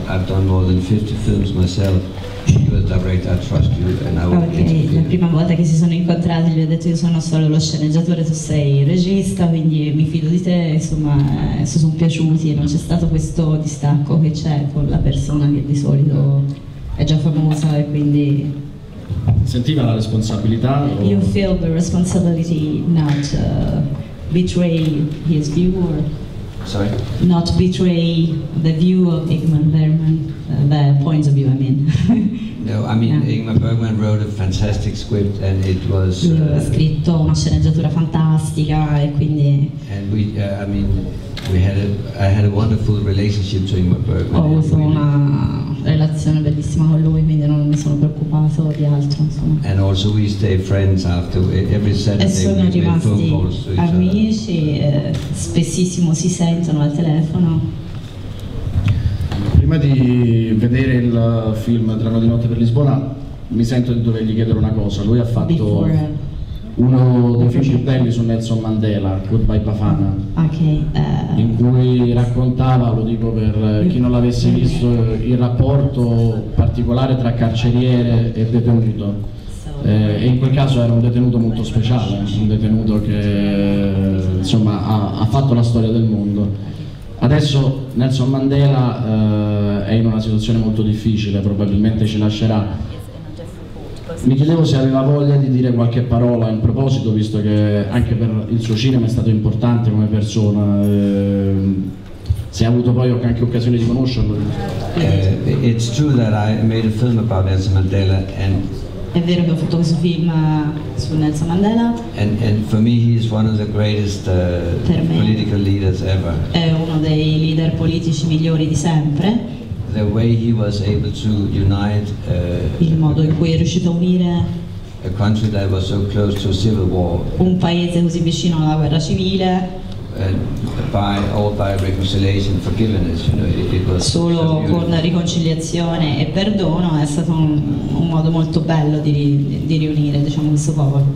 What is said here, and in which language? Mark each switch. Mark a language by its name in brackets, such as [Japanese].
[English] I've done more than 50 films myself. You're the director. I trust you, and I will." Okay. [Italian] La prima volta che si sono incontrati, gli ho detto, "Io sono solo lo sceneggiatore. Tu sei il regista, quindi mi fido di te." Insomma, si sono piaciuti e non c'è stato questo distacco che c'è con la persona che di solito è già famosa e quindi. Sentiva la responsabilità? [English] You feel the responsibility not betray his view or not betray the view of Ingmar Bergman, the point of view, I mean. No, I mean, yeah. Ingmar Bergman wrote a fantastic script and it was. [Italian] Ha scritto una sceneggiatura fantastica e quindi. [English] And we, I mean, we had a, I had a wonderful relationship to Ingmar Bergman. [Italian] Ho avuto una relazione bellissima con lui, quindi non mi sono preoccupato di altro, insomma. [English] And also we stay friends after every Saturday. [Italian] E sono rimasti amici, spessissimo si sentono al telefono. Prima di vedere il film Treno di notte per Lisbona, mi sento di dovergli chiedere una cosa. Lui ha fatto uno dei film più belli su Nelson Mandela, Goodbye Bafana, in cui raccontava, lo dico per chi non l'avesse visto, il rapporto particolare tra carceriere e detenuto. E in quel caso era un detenuto molto speciale, un detenuto che insomma ha fatto la storia del mondo. Adesso Nelson Mandela è in una situazione molto difficile, probabilmente ci lascerà. Mi chiedevo se aveva voglia di dire qualche parola in proposito, visto che anche per il suo cinema è stato importante come persona. Se ha avuto poi anche occasione di conoscerlo. [English] It's true that I made a film about Nelson Mandela and. [Italian] È vero che ho fatto questo film su Nelson Mandela. [English] And for me he is one of the greatest political leaders ever. [Italian] È uno dei leader politici migliori di sempre. [English] The way he was able to unite. [Italian] Il modo in cui è riuscito a unire. [English] A country that was so close to civil war. [Italian] Un paese così vicino alla guerra civile. [English] By reconciliation, forgiveness, you know, it was [Italian] solo con riconciliazione e perdono è stato un modo molto bello di riunire, diciamo, questo popolo.